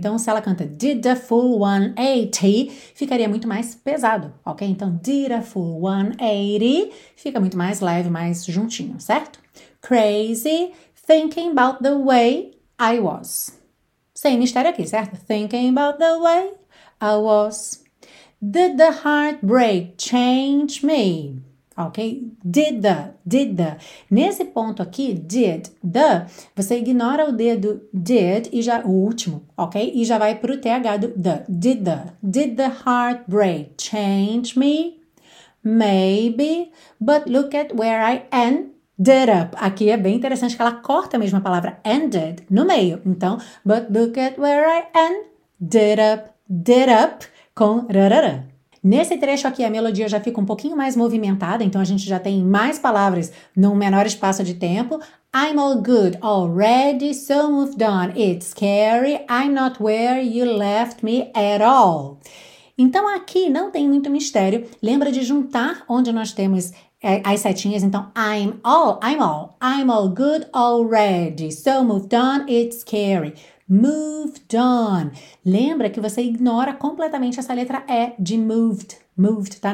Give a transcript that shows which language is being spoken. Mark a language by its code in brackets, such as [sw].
[pt] Então, se ela canta [en] did a full 180, [pt] ficaria muito mais pesado, ok? Então, [en] did a full 180 [pt] fica muito mais leve, mais juntinho, certo? [en] Crazy, thinking about the way I was. [pt] Sem mistério aqui, certo? [en] Thinking about the way I was. Did the heartbreak change me? Ok? Did the. [pt] Nesse ponto aqui, [en] did the, [pt] você ignora o dedo did e já o último, ok? E já vai pro TH do the. [en] Did the heartbreak change me? Maybe, but look at where I ended up. [pt] Aqui é bem interessante que ela corta mesmo a palavra ended no meio. Então, [en] but look at where I ended up, did up com rarara. [pt] Nesse trecho aqui a melodia já fica um pouquinho mais movimentada, então a gente já tem mais palavras num menor espaço de tempo. [en] I'm all good, already so moved on. It's scary, I'm not where you left me at all. [pt] Então aqui não tem muito mistério, lembra de juntar onde nós temos as setinhas, então [en] I'm all good already, so moved on, [pt] it's scary, moved on. Lembra que você ignora completamente essa letra E de moved, tá?